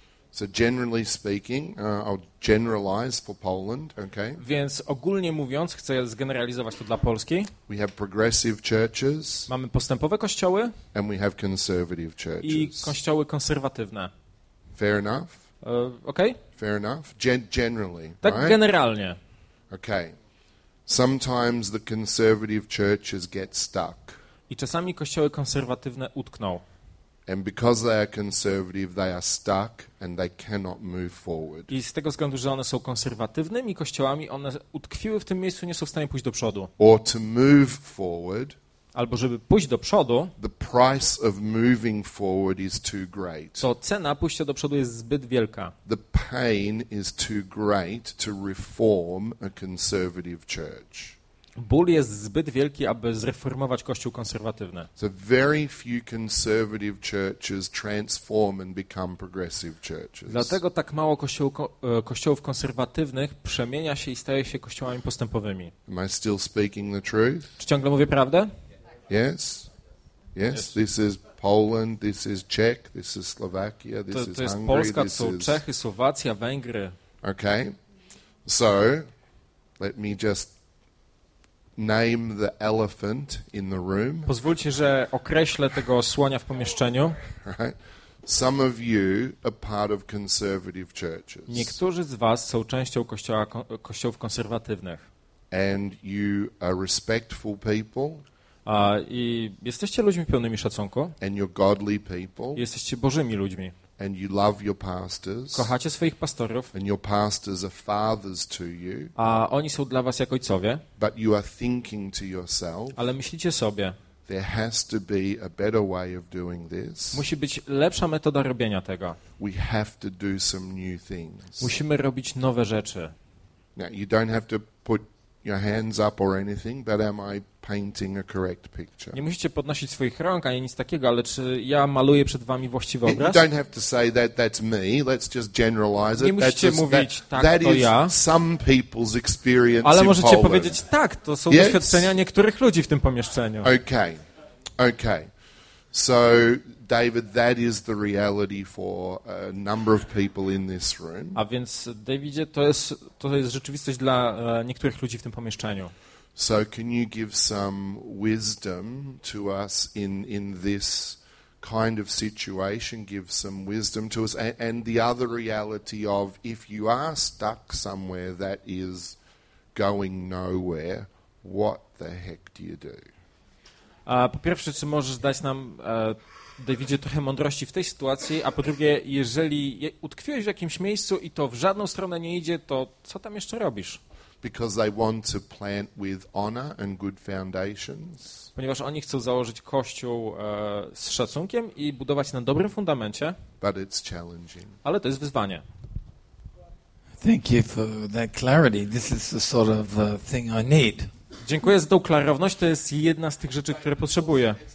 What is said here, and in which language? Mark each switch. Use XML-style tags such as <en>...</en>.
<en>So generally speaking, I'll generalize for Poland, okay?</en> <pl>Więc ogólnie mówiąc, chcę zgeneralizować to dla Polski.</pl> <en>We have progressive churches.</en> <pl>Mamy postępowe kościoły.</pl> <en>And we have conservative churches.</en> <pl>I kościoły konserwatywne.</pl> <en>Fair enough. Okay? Fair enough. Generally,</en> <pl>tak</pl> <en>right?</en> <pl>Generalnie.</pl> <en>Okay. Sometimes the conservative churches get stuck.</en> <pl>I czasami kościoły konserwatywne utkną.</pl> <en>And because they are conservative, they are stuck and they cannot move forward.</en> <pl>I z tego względu, że one są konserwatywnymi kościołami, one utkwiły w tym miejscu, nie są w stanie pójść do przodu.</pl> <en>Or to move forward.</en> <pl>Albo żeby pójść do przodu.</pl> <en>The price of moving forward is too great.</en> <pl>To cena pójścia do przodu jest zbyt wielka.</pl> <en>The pain is too great to reform a conservative church.</en> <pl>Ból jest zbyt wielki, aby zreformować kościół konserwatywny.</pl> <en>So very few conservative churches transform and become progressive churches.</en> <pl>Dlatego tak mało kościołów konserwatywnych przemienia się i staje się kościołami postępowymi.</pl> <en>Am I still speaking the truth?</en> <pl>Czy ciągle mówię prawdę?</pl> <en>Yes. Yes, this is Poland, this is Czech, this is Slovakia, this</en> <pl>to jest</pl> <en>Hungary,</en> <pl>Polska,</pl> <en>this is</en> <pl>Czechy, Słowacja, Węgry.</pl> <en>Okay. So, let me just name the elephant in the room.</en> <pl>Pozwólcie, że określę tego słonia w pomieszczeniu.</pl> <en>Some of you are part of conservative churches.</en> <pl>Niektórzy z was są częścią kościołów konserwatywnych.</pl> <en>And you are respectful people.</en> <pl>I jesteście ludźmi pełnymi szacunku.</pl> <en>And you're godly people.</en> <pl>Jesteście Bożymi ludźmi.</pl> <en>And you love your pastors.</en> <pl>Kochacie swoich pastorów.</pl> <en>And your pastors are fathers to you.</en> <pl>A oni są dla was jak ojcowie.</pl> <en>But you are thinking to yourself.</en> <pl>Ale myślicie sobie.</pl> <en>There has to be a better way of doing this.</en> <pl>Musi być lepsza metoda robienia tego.</pl> <en>We have to do some new things.</en> <pl>Musimy robić nowe rzeczy.</pl> <en>Now you don't have to put your hands up or anything, but am I painting a correct picture?</en> <pl>Nie musicie podnosić swoich rąk ani nic takiego, ale czy ja maluję przed wami właściwy obraz?</pl> <en>You don't have to say that that's me. Let's just generalize it.</en> <pl>Nie musicie mówić tak,</pl> <en>that</en> <pl>to ja.</pl> <en>Some people's experience.</en> <pl>Ale możecie</pl> <en>in</en> <pl>powiedzieć tak, to są yes? doświadczenia niektórych ludzi w tym pomieszczeniu.</pl> <en>Okay. Okay. So David, that is the reality for a number of people in this room.</en> <pl>A więc Davidzie, to jest rzeczywistość dla niektórych ludzi w tym pomieszczeniu.</pl> <en>So can you give some wisdom to us in this kind of situation? Give some wisdom to us and the other reality of if you are stuck somewhere that is going nowhere, what the heck do you do?</en> <pl>Po pierwsze, czy możesz dać nam, Davidzie, trochę mądrości w tej sytuacji, a po drugie, jeżeli utkwiłeś w jakimś miejscu i to w żadną stronę nie idzie, to co tam jeszcze robisz?</pl> <en>Because they want to plant with honor and good foundations.</en> <pl>Ponieważ oni chcą założyć kościół z szacunkiem i budować na dobrym fundamencie.</pl> <en>But it's challenging.</en> <pl>Ale to jest wyzwanie.</pl> <en>Thank you for that clarity. This is the sort of thing I need.</en> <pl>Dziękuję za tą klarowność. To jest jedna z tych rzeczy, które potrzebuję.</pl>